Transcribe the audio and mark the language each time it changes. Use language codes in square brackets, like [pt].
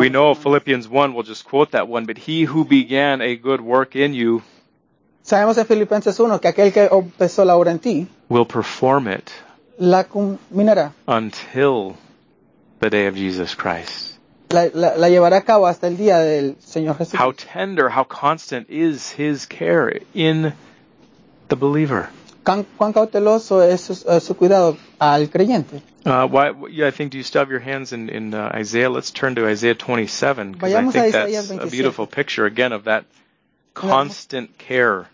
[en] We know Philippians 1, we'll just quote that one, but he who began a good work in you, [es] sabemos en Filipenses 1 que aquel que empezó la obra en ti, [en] will perform it, [es] la culminará, [en] until the day of Jesus Christ. [es] La llevará a cabo hasta el día del Señor Jesús. [en] How tender, how constant is his care in the believer? [es] ¿Cuán cauteloso es su cuidado al creyente? [en] I think, do you still have your hands in Isaiah? Let's turn to Isaiah 27, because I think that's a beautiful picture, again, of that constant care.